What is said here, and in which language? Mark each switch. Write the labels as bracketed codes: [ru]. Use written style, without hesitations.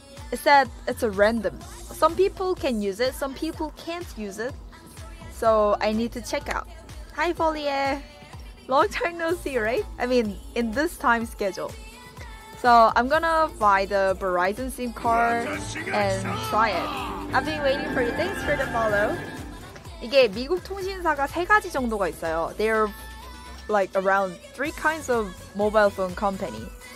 [en] It said it's a random. Some people can use it, some people can't use it. So I need to check out. Hi, Folie. Long time no see, right? I mean, in this time schedule. So I'm gonna buy the Verizon SIM card and try it. I've been waiting for you. Thanks for the follow. [ko] 이게 미국 통신사가 세 가지 정도가 있어요. [en] There are like around three kinds of mobile phone company.